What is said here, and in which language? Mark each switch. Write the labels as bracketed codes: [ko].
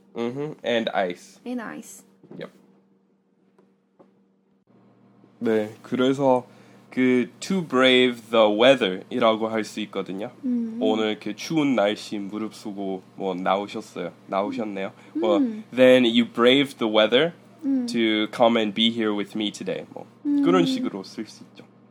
[en] And ice. And ice. Yep. [ko] 네, 그래서 그 [en] to brave the weather [ko] 이라고 할 수 있거든요. 오늘 그 추운 날씨 무릅쓰고 뭐 나오셨네요. [en] Well, then you brave the weather to come and be here with me today. [ko] 뭐 그런 식으로 쓸 수 있죠.